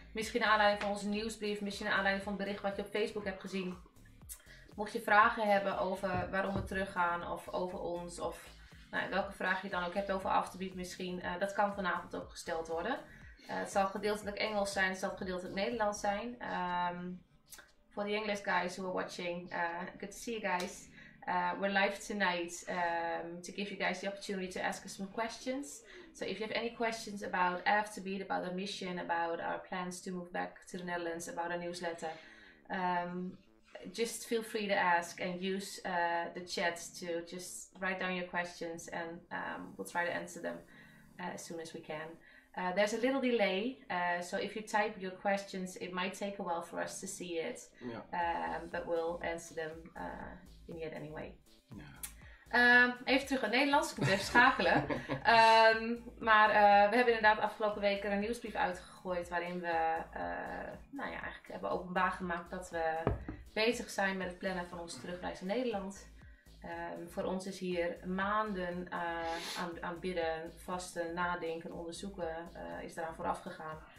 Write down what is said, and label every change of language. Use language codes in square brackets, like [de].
[nl] Misschien naar aanleiding van onze nieuwsbrief, misschien naar aanleiding van het bericht wat je op Facebook hebt gezien. Mocht je vragen hebben over waarom we teruggaan of over ons of nou, welke vraag je dan ook hebt over Afterbeat misschien. Dat kan vanavond ook gesteld worden. Het zal gedeeltelijk Engels zijn, het zal gedeeltelijk Nederlands zijn. [en] For the English guys who are watching, good to see you guys. We're live tonight to give you guys the opportunity to ask us some questions. So if you have any questions about Afterbeat, about our mission, about our plans to move back to the Netherlands, about our newsletter, just feel free to ask and use the chat to just write down your questions and we'll try to answer them as soon as we can. There's a little delay, so if you type your questions, it might take a while for us to see it, but we'll answer them in yet anyway. [nl] Even terug naar Nederlands, ik moet even schakelen. Maar we hebben inderdaad afgelopen weken een nieuwsbrief uitgegooid waarin we nou ja, eigenlijk hebben openbaar gemaakt dat we bezig zijn met het plannen van onze terugreis naar Nederland. Voor ons is hier maanden aan bidden, vasten, nadenken, onderzoeken is eraan vooraf gegaan.